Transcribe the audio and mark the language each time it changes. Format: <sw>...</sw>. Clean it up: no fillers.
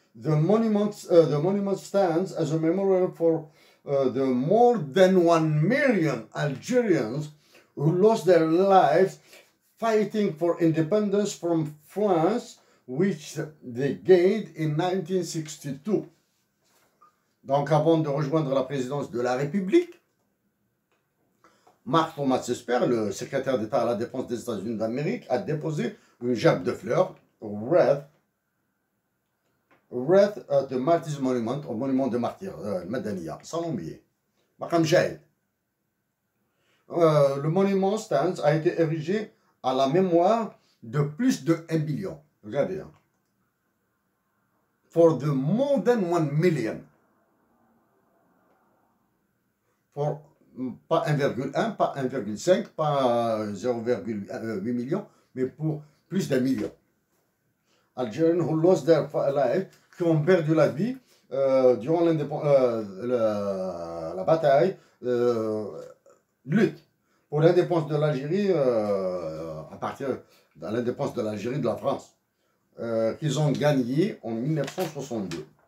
<en>The monument stands as a memorial for the more than 1 million Algerians who lost their lives fighting for independence from France, which they gained in 1962.</en> <fr>Donc, avant de rejoindre la présidence de la République, Marc Thomas Esper, le secrétaire d'État à la défense des États-Unis d'Amérique, a déposé une gerbe de fleurs,</fr> <en>Wreath at the Martyrs Monument,</en> <fr>au monument de martyrs, Madaniya, Salombié, Makam Jaïd. Le monument Stans a été érigé à la mémoire de plus de 1 million. Regardez. Hein.</fr> <en>For the more than 1 million.</en> <fr>Pas 1,1, pas 1,5, pas 0,8 millions, mais pour plus d'un million. Algériens</fr> <en>who lost their life,</en> <fr>qui ont perdu la vie durant la bataille, lutte pour l'indépendance de l'Algérie, à partir de l'indépendance de l'Algérie de la France, qu'ils ont gagné en 1962.</fr>